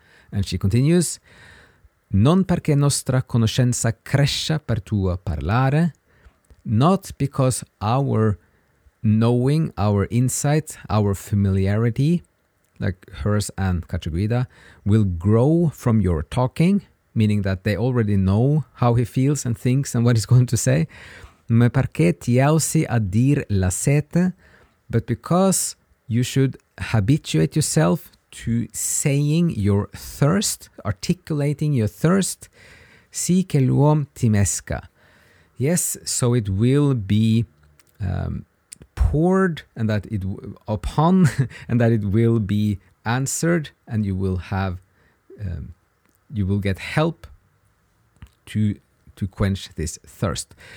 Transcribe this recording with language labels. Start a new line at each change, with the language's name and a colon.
English: And she continues,
Italian: non perché nostra conoscenza cresce per tuo parlare,
English: not because our knowing, our insight, our familiarity, like hers and Cacciaguida, will grow from your talking, meaning that they already know how he feels and thinks and what he's going to say.
Italian: Ma perché ti ausi a dir la sete?
English: But because you should habituate yourself to saying your thirst, articulating your thirst.
Italian: Sì che l'uom timesca.
English: Yes, so it will be poured, and that it upon, and that it will be answered, and you will have, you will get help to quench this thirst.